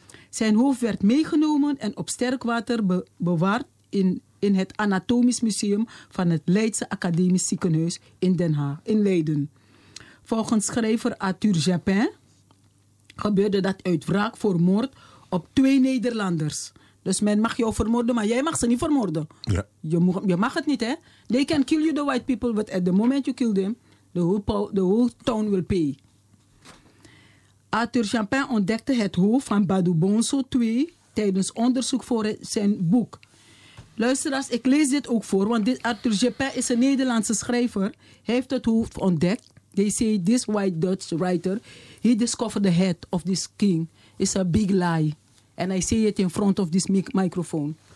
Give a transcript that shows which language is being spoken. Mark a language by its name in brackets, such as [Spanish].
[Dutch] Zijn hoofd werd meegenomen en op sterk water bewaard in het Anatomisch Museum van het Leidse Academisch Ziekenhuis in Den Haag, in Leiden. Volgens schrijver Arthur Japin gebeurde dat uit wraak voor moord op twee Nederlanders. Dus men mag jou vermoorden, maar jij mag ze niet vermoorden. Ja. Je mag het niet, hè? [English] They can kill you, the white people, but at the moment you kill them, the whole town will pay. [Dutch] Arthur Champin ontdekte het hoofd van Badou Bonso II tijdens onderzoek voor zijn boek. Luisteraars, ik lees dit ook voor, want Arthur Champin is een Nederlandse schrijver. Hij heeft het hoofd ontdekt. [English] They say this white Dutch writer, he discovered the head of this king. It's a big lie. And I say it in front of this microphone.